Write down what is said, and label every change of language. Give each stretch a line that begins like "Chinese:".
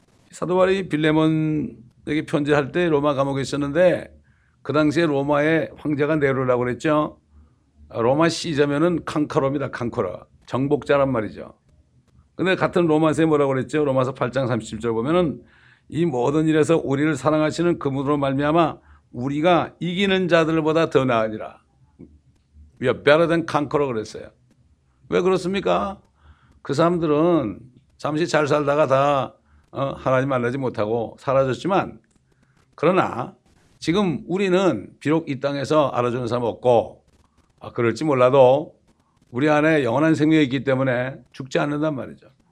Korean: 사도 바울이 빌레몬에게 편지할 때 로마 감옥에 있었는데 그 당시에 로마의 황제가 네로라고 그랬죠. 로마 시저면은 캉커러입니다. 캉커러. 정복자란 말이죠. 근데 같은 로마서에 뭐라고 그랬죠? 로마서 8장 37절 보면은 이 모든 일에서 우리를 사랑하시는 그분으로 말미암아 우리가 이기는 자들보다 더 나으니라.
English: We are better than conqueror
Korean: 그랬어요. 왜 그렇습니까? 그 사람들은 잠시 잘 살다가 다 하나님 만나지 못하고 사라졌지만 그러나 지금 우리는 비록 이 땅에서 알아주는 사람 없고 그럴지 몰라도 우리 안에 영원한 생명이 있기 때문에 죽지 않는단 말이죠.